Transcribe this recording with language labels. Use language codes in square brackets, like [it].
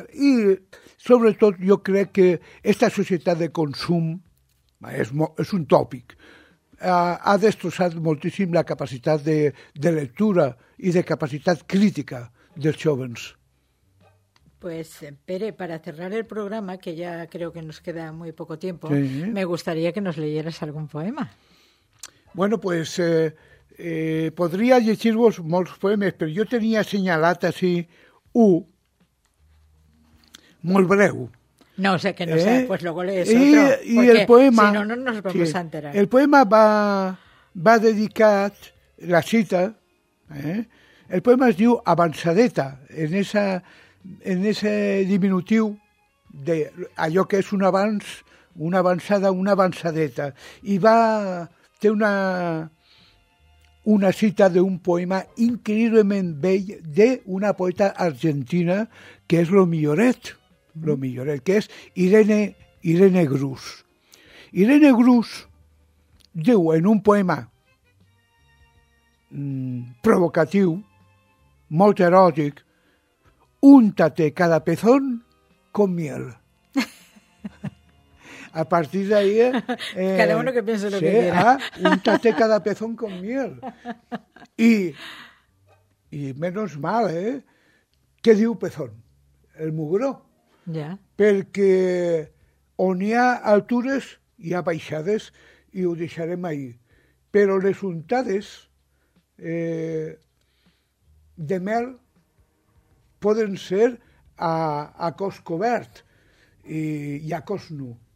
[ca] I, sobretot, jo crec que aquesta societat de consum és un tòpic. Ha destrossat moltíssim la capacitat de lectura i de capacitat crítica dels joves. [es] Pues, Pere, para cerrar el programa, que ya creo que nos queda muy poco tiempo, sí, me gustaría que nos leyeras algún poema. Bueno, pues... [ca] podria llegir-vos molts poemes, però jo tenia assenyalat així un molt breu. [es] No, o sea que no sé, pues luego lees otro. [ca] I el poema... [es] Si no, no nos vamos a enterar. [ca] El poema va dedicat, la cita, el poema es diu Avançadeta, en ese diminutiu de allò que és un avanç, una avançada, una avançadeta. I va... té una cita d'un poema increïblement vell d'una poeta argentina que és lo milloret, que és Irene Grus. Irene Grus diu en un poema provocatiu, molt eròtic, [es] úntate cada pezón con miel. [ca] A partir d'ahí... [es] cada uno que piensa lo que quiera. Úntate cada pezón con miel. [ca] I [es] menos mal, [ca] Què diu pezón? El mugró. Ja. Yeah. Perquè on hi ha altures, hi ha baixades, i ho deixarem ahí. Però les untades de mel poden ser a cos cobert i a cos nu.